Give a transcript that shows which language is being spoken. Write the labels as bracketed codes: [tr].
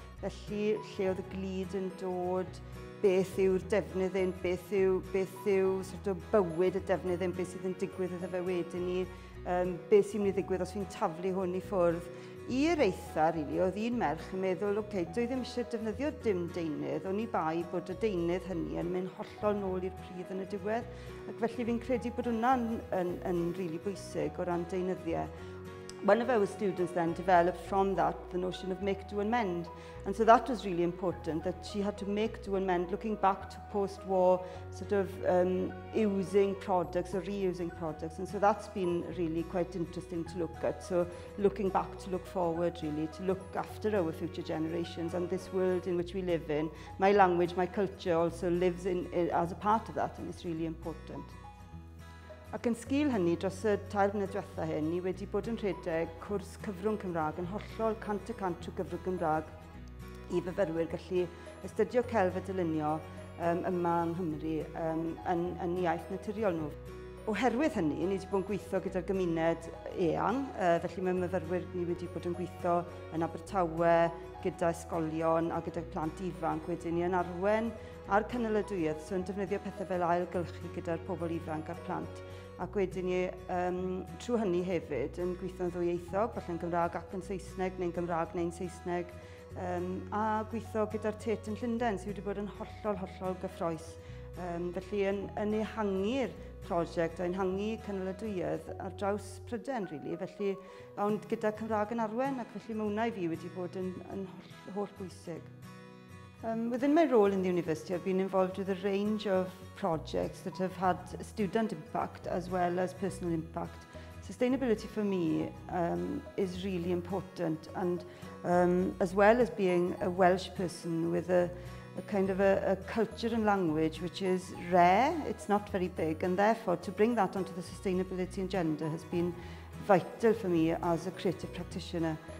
[cy] Felly lle oedd y glud yn dod, beth yw'r defnydd yn, beth yw [en] sort of [cy] bywyd y defnydd yn, beth sydd yn digwydd iddo fe wedyn ni, beth sy'n mynd i ddigwydd os fi'n taflu hwn i ffwrdd. I'r eitha, rili, oedd un merch yn meddwl, oce, okay, doedd ddim eisiau defnyddio dim deunydd, o'n i bai bod y deunydd hynny yn mynd hollol nôl i'r pridd yn y diwedd, ac felly fi'n credu bod hwnna'n yn rili bwysig o ran deunyddiau. [en] One of our students then developed from that the notion of make, do and mend. And so that was really important, that she had to make, do and mend, looking back to post-war sort of using products or reusing products. And so that's been really quite interesting to look at. So looking back to look forward really, to look after our future generations and this world in which we live in. My language, my culture also lives in as a part of that, and it's really important. [cy] Ac yn sgil hynny, dros y tair blynedd diwetha hyn, ni wedi bod yn rhedeg cwrs cyfrwng Cymraeg yn hollol 100% trwy gyfrwng Cymraeg i fyfyrwyr gallu astudio celf a dylunio yma yng Nghymru yn iaith naturiol nhw. Oherwydd hynny, ni wedi bod yn gweithio gyda'r gymuned eang, felly mae myfyrwyr ni wedi bod yn gweithio yn Abertawe, gyda ysgolion a gyda plant ifanc wedyn ni yn arwen a'r cynaladwyedd, so yn defnyddio pethau fel ailgylchu gyda'r pobl ifanc a'r plant. Ac wedyn ni, trwy hynny hefyd, yn gweithio'n ddwyieithog, falle yn Gymraeg ac yn Saesneg, neu'n Gymraeg neu'n Saesneg, a gweithio gyda'r Tet yn Llundain, sydd wedi bod yn hollol gyffroes. Felly yn ehangu'r prosiect, yn ehangu cynaladwyedd ar draws Pryden, really. Felly, ond gyda Cymraeg yn arwen, ac felly mae hwnna i fi wedi bod yn holl bwysig. [en] Within my role in the university, I've been involved with a range of projects that have had student impact as well as personal impact. Sustainability for me is really important, and as well as being a Welsh person with a kind of a culture and language which is rare, it's not very big, and therefore to bring that onto the sustainability agenda has been vital for me as a creative practitioner.